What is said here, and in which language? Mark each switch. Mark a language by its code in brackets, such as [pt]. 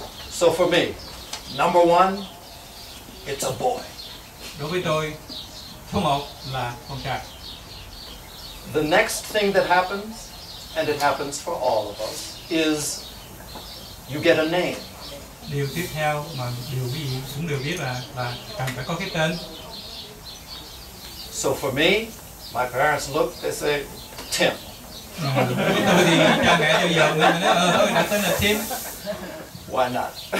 [en] So for me, number one, it's a boy. [vi] Đối với tôi, số một là con trai. [en] The next thing that happens, and it happens for all of us, is you get a name. [vi] Điều tiếp theo mà điều quý vị cũng đều biết là cần phải có cái tên. [en] So for me, my parents look, they say, Tim. Why not?